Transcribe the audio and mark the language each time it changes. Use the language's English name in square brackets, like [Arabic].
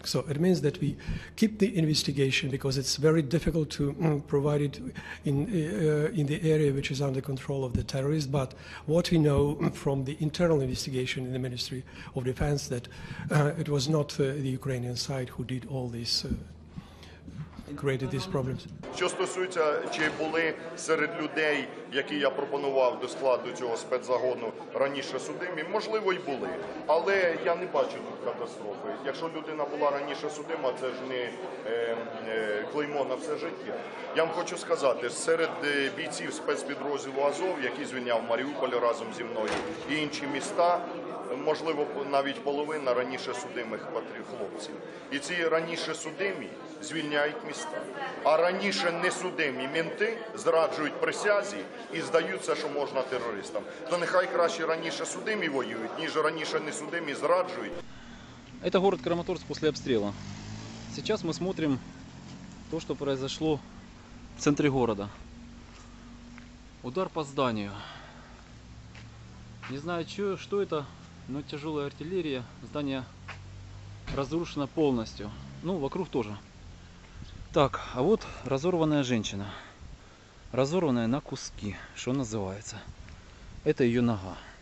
[English] So it means that we keep the investigation, because it's very difficult to provide it in the area which is under control of the terrorists. But what we know from the internal investigation in the Ministry of Defense, that it was not the Ukrainian side who did all this. Created these problems. [Ukrainian] Що стосується, чи були серед людей, які я пропонував до складу цього спецзагону раніше судимі, можливо, й були. Але я не бачу тут катастрофи. Якщо людина була раніше судима, це ж не клеймо на все життя. Я вам хочу сказати, серед бійців спецпідрозділу «Азов», який звільняв Маріуполь разом зі мною, і інші міста, можливо, навіть половина раніше судимих хлопців. І ці раніше судимі звільняють міста. А раніше несудимі менти зраджують присязі і здаються, що можна терористам. То нехай краще раніше судимі воюють, ніж раніше несудимі зраджують. Це город Краматорськ після обстрілу. Зараз ми дивимося те, що відбувалося в центрі міста. Удар по зданню. [Russian] Не знаю, что это, но тяжелая артиллерия. Здание разрушено полностью. Ну, вокруг тоже. Так, а вот разорванная женщина. Разорванная на куски, что называется. Это ее нога.